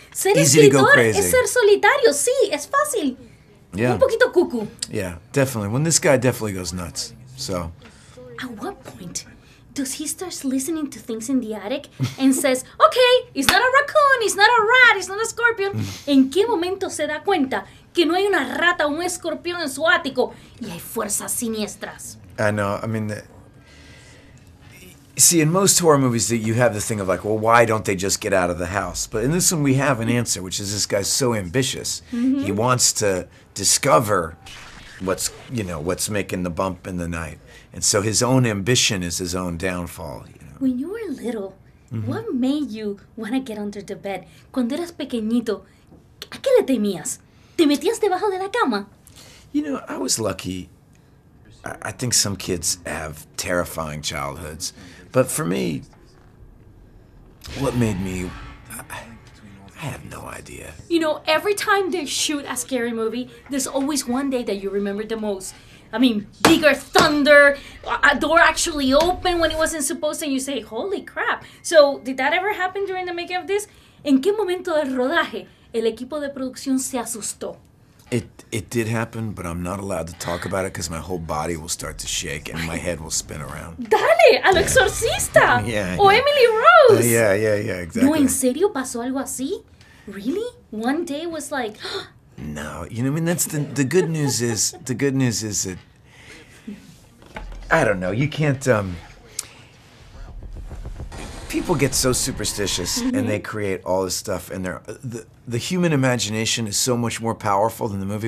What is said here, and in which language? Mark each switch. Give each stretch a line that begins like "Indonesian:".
Spanish: Ser easy escritor to go crazy. Es ser solitario. Sí, es fácil.
English: Yeah.
Spanish: Un poquito cuckoo.
English: Yeah, definitely. When this guy definitely goes nuts, so. At what point does he start listening to things in the attic and says, okay, it's not a raccoon, it's not a rat, it's not a scorpion?
Spanish: ¿En qué momento se da cuenta que no hay una rata o un escorpión en su ático y hay fuerzas siniestras?
English: I know, I mean, see, in most horror movies that you have the thing of like, well, why don't they just get out of the house? But in this one, we have an answer, which is this guy's so ambitious. Mm-hmm. He wants to discover what's, you know, what's making the bump in the night. And so his own ambition is his own downfall, you know. When you were little, what made you want to get under the bed?
Spanish: Cuando eras pequeñito, ¿a qué le temías? ¿Te metías debajo de la cama?
English: You know, I was lucky. I think some kids have terrifying childhoods. But for me, what made me... I have no idea. You know, every time they shoot a scary movie, there's always one day that you remember the most. I mean, bigger thunder, a door actually open when it wasn't supposed to, and you say, holy crap. So, did that ever happen during the making of this?
Spanish: ¿En qué momento del rodaje el equipo de producción se asustó?
English: It did happen, but I'm not allowed to talk about it because my whole body will start to shake and my head will spin around.
Spanish: ¡Dale! ¡Al exorcista!
English: Yeah.
Spanish: ¡O Emily Rose!
English: Yeah, exactly.
Spanish: ¿No, en serio pasó algo así?
English: ¿Really? One day was like... No, you know, I mean, that's the good news is that, I don't know, you can't, people get so superstitious and they create all this stuff and the human imagination is so much more powerful than the movie.